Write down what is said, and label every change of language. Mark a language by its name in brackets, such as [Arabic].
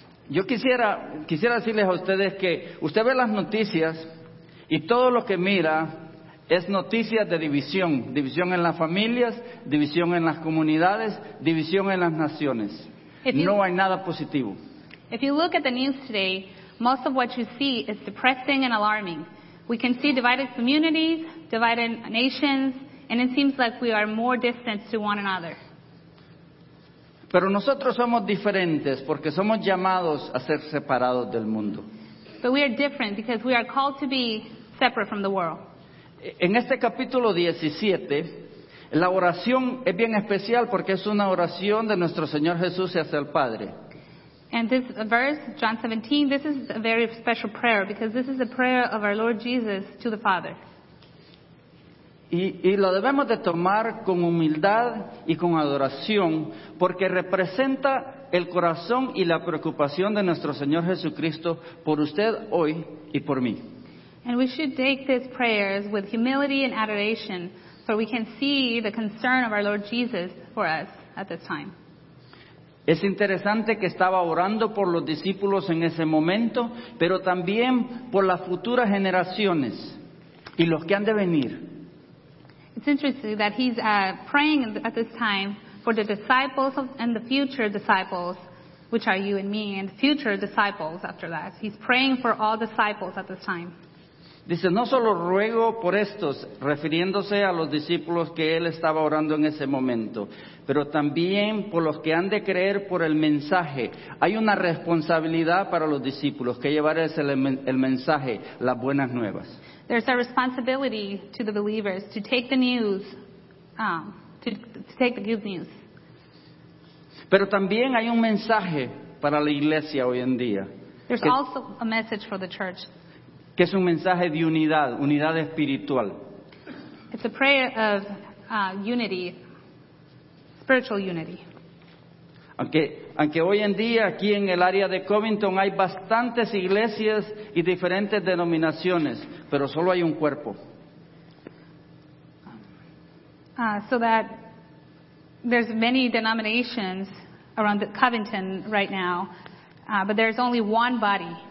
[Spanish] Yo quisiera decirles a ustedes que usted ve las noticias y todo lo que mira es noticias de división, división en las familias, división en las comunidades, división en las naciones. No hay nada positivo. [English] If you look at the news today, most of what you see is depressing and alarming. We can see divided communities, divided nations, and it seems like we are more distant to one another. [Spanish] Pero nosotros somos diferentes porque somos llamados a ser separados del mundo. [English] But we are different because we are called to be separate from the world. [Spanish] En este capítulo 17, la oración es bien especial porque es una oración de nuestro Señor Jesús hacia el Padre. [English] And this verse, John 17, this is a very special prayer because this is a prayer of our Lord Jesus to the Father. [Spanish] Y lo debemos de tomar con humildad y con adoración porque representa el corazón y la preocupación de nuestro Señor Jesucristo por usted hoy y por mí. [English] And we should take these prayers with humility and adoration so we can see the concern of our Lord Jesus for us at this time. [Spanish] Es interesante que estaba orando por los discípulos en ese momento, pero también por las futuras generaciones y los que han de venir. [English] It's interesting that he's praying at this time for the disciples and the future disciples, which are you and me, and future disciples after that. He's praying for all disciples at this time. [Spanish] Dice, no solo ruego por estos, refiriéndose a los discípulos que él estaba orando en ese momento, pero también por los que han de creer por el mensaje. Hay una responsabilidad para los discípulos que llevar es el mensaje, las buenas nuevas. [English] There's a responsibility to the believers to take the news, to take the good news. [Spanish] Pero también hay un mensaje para la iglesia hoy en día. [English] There's also a message for the church. [Spanish] Que es un mensaje de unidad, unidad espiritual. [English] It's a prayer of unity, spiritual unity. [Spanish] Aunque hoy en día aquí en el área de Covington hay bastantes iglesias y diferentes denominaciones, pero solo hay un cuerpo. [English] So that there's many denominations around the Covington right now, but there's only one body.